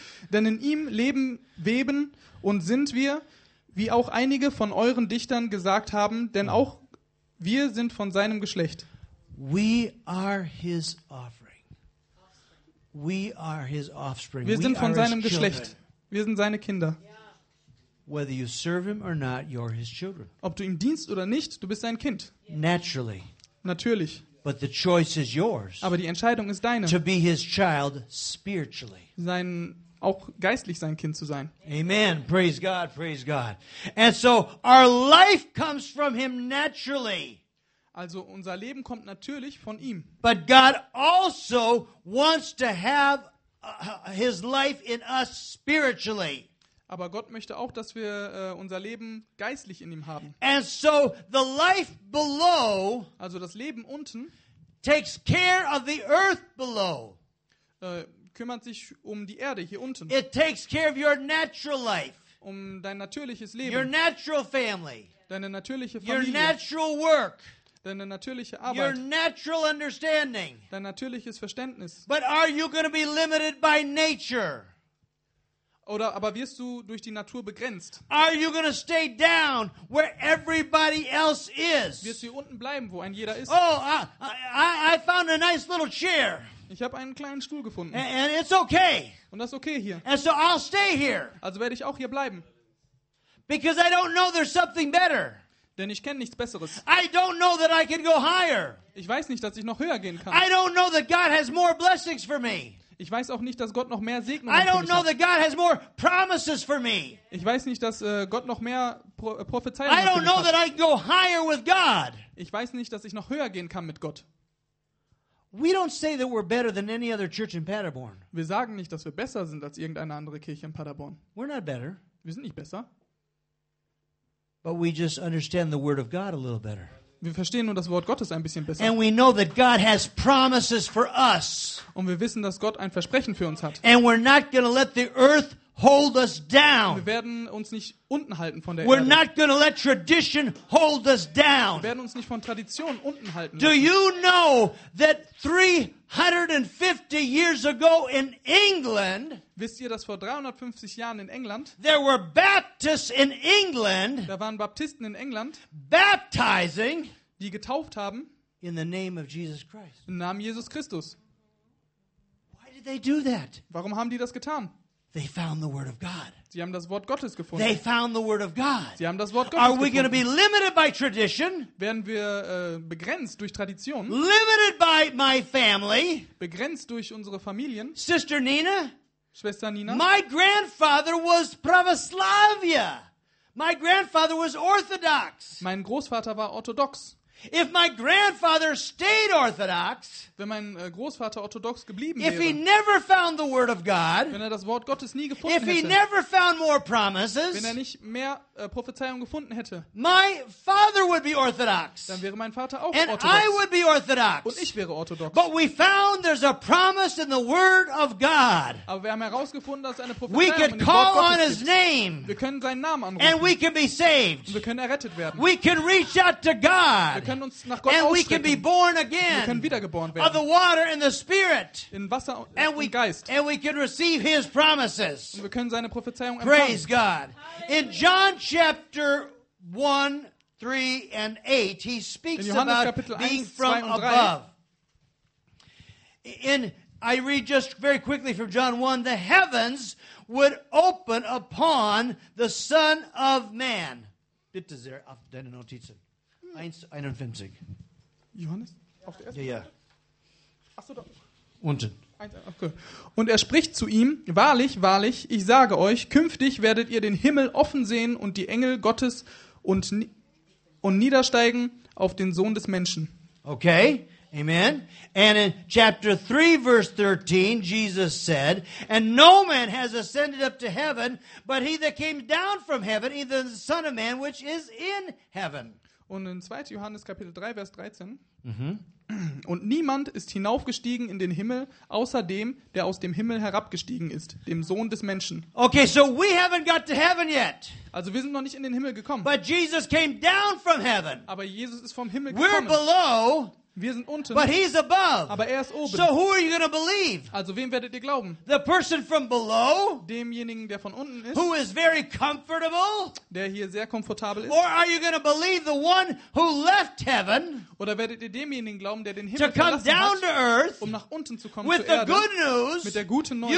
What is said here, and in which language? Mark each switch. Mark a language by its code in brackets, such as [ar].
[de] Denn in ihm leben, weben und sind wir, wie auch einige von euren Dichtern gesagt haben, denn auch wir sind von seinem Geschlecht. [en] We are his offspring. We are his offspring. [de] Wir sind von seinem Geschlecht. Wir sind seine Kinder. [en] Whether you serve him or not, you're his children. [de] Ob du ihm dienst oder nicht, du bist sein Kind. [en] Naturally. [de] Natürlich. [en] But the choice is yours. [de] Aber die Entscheidung ist deine. [en] To be his child spiritually. [de] Sein auch geistlich sein Kind zu sein. [en] Amen. Praise God. Praise God. And so our life comes from him naturally. [de] Also unser Leben kommt natürlich von ihm. [en] But God also wants to have his life in us spiritually. [de] Aber Gott möchte auch, dass wir unser Leben geistlich in ihm haben. [en] And so the life below, [de] also das Leben unten, [en] takes care of the earth below. [de] Kümmert sich um die Erde hier unten. [en] It takes care of your natural life. [de] Um dein natürliches Leben. [en] Your natural family. [de] Deine natürliche Familie. [en] Your natural work. [de] Deine natürliche Arbeit. [en] Your natural understanding. [de] Dein natürliches Verständnis. [en] But are you going to be limited by nature? [de] Oder aber wirst du durch die Natur begrenzt? [en] Are you going to stay down where everybody else is? [de] Wirst du unten bleiben, wo ein jeder ist? [en] Oh, I found a nice little chair. [de] Ich habe einen kleinen Stuhl gefunden. [en] And it's okay. [de] Und das ist okay hier. [en] And so I'll stay here. [de] Also werde ich auch hier bleiben. [en] Because I don't know there's something better. [de] Denn ich kenne nichts Besseres. [en] I don't know that I can go higher. [de] Ich weiß nicht, dass ich noch höher gehen kann. [en] I don't know that God has more blessings for me. [de] Ich weiß auch nicht, dass Gott noch mehr Segnungen für mich hat. [en] I don't know that God has more promises for me. [de] Ich weiß nicht, dass Gott noch mehr Prophezeiungen für mich hat. [en] I don't know that I can go higher with God. [de] Ich weiß nicht, dass ich noch höher gehen kann mit Gott. [en] We don't say that we're better than any other church in Paderborn. [de] Wir sagen nicht, dass wir besser sind als irgendeine andere Kirche in Paderborn. [en] We're not better. [de] Wir sind nicht besser. [en] But we just understand the word of God a little better. [de] Wir verstehen nur das Wort Gottes ein bisschen besser. [en] And we know that God has promises for us. [de] Und wir wissen, dass Gott ein Versprechen für uns hat. [en] And we're not going to let the earth hold us down. [de] Wir werden uns nicht unten halten von der [en] we're [de] Erde. [en] We're not going to let tradition hold us down. [de] Wir werden uns nicht von Tradition unten halten. [en] Do you know that 350 years ago in England, [de] wisst ihr, dass vor 350 Jahren in England, [en] there were Baptists in England, [de] da waren Baptisten in England, [en] baptizing, [de] die getauft haben, [en] in the name of Jesus Christ. [de] Im Namen Jesus Christus. [en] Why did they do that? [de] Warum haben die das getan? [en] They found the word of God. [de] Sie haben das Wort Gottes gefunden. [en] They found the word of God. [de] Sie haben das Wort Gottes gefunden. [en] Are we going to be limited by tradition? [de] Werden wir begrenzt durch Tradition? [en] Limited by my family? [de] Begrenzt durch unsere Familien? [en] Sister Nina? [de] Schwester Nina? [en] My grandfather was Pravoslavia. My grandfather was Orthodox. [de] Mein Großvater war orthodox. [en] If my grandfather stayed orthodox, [de] wenn mein Großvater orthodox geblieben [en] if [de] wäre, [en] he never found the word of God, [de] wenn er das Wort Gottes nie gefunden [en] if he [de] hätte, [en] never found more promises, [de] wenn er nicht mehr Prophezeiung gefunden hätte, [en] my father would be orthodox, [de] dann wäre mein Vater auch [en] and [de] orthodox, [en] I would be orthodox, [de] und ich wäre orthodox. [en] But we found there's a promise in the word of God. [de] Aber wir haben herausgefunden, dass eine [en] we could call on his [de] gibt. [en] Name, [de] wir können seinen Namen anrufen, [en] and we can be saved, [de] und wir können errettet werden. [en] We can reach out to God. [de] Wir können uns nach Gott [en] and [de] ausstrecken. [en] We can be born again, [de] wir können wiedergeboren werden. [en] Of the water and the spirit. [de] In Wasser und im Geist. [en] And we can receive his promises. [de] Und wir können seine Prophezeiung empfangen. [en] Praise God. In John chapter 1, 3 and 8, he speaks about being from above. I read just very quickly from John 1, the heavens would open upon the Son of Man. [de] Bitte sehr, auf deine Notizen. 1:51. Johannes? Auf der ersten? Ja, ja. Achso, doch. Unten. Okay. Und er spricht zu ihm, wahrlich, wahrlich, ich sage euch, künftig werdet ihr den Himmel offen sehen und die Engel Gottes und niedersteigen auf den Sohn des Menschen. [en] Okay, amen. And in chapter 3, verse 13, Jesus said, and no man has ascended up to heaven, but he that came down from heaven, either the Son of Man, which is in heaven. [de] Und in 2. Johannes Kapitel 3, Vers 13. Und niemand ist hinaufgestiegen in den Himmel, außer dem, der aus dem Himmel herabgestiegen ist, dem Sohn des Menschen. [en] Okay, so we haven't got to heaven yet. [de] Also wir sind noch nicht in den Himmel gekommen. [en] But Jesus came down from heaven. [de] Aber Jesus ist vom Himmel gekommen. [en] We're below. [de] Wir sind unten. [en] But he's above. [de] Aber er ist oben. [en] So who are you going to believe? [de] Also wem werdet ihr glauben? [en] The person from below? [de] Demjenigen, der von unten ist? [en] Who is very comfortable? [de] Der hier sehr komfortabel ist? [en] Or are you going to believe the one who left heaven? [de] Oder werdet ihr demjenigen glauben, der den Himmel [en] to come [de] verlassen [en] down [de] hat, [en] to earth, [de] um nach unten zu kommen [en] with [de] zur Erde? [en] The good news, [de] mit der guten Neuigkeit.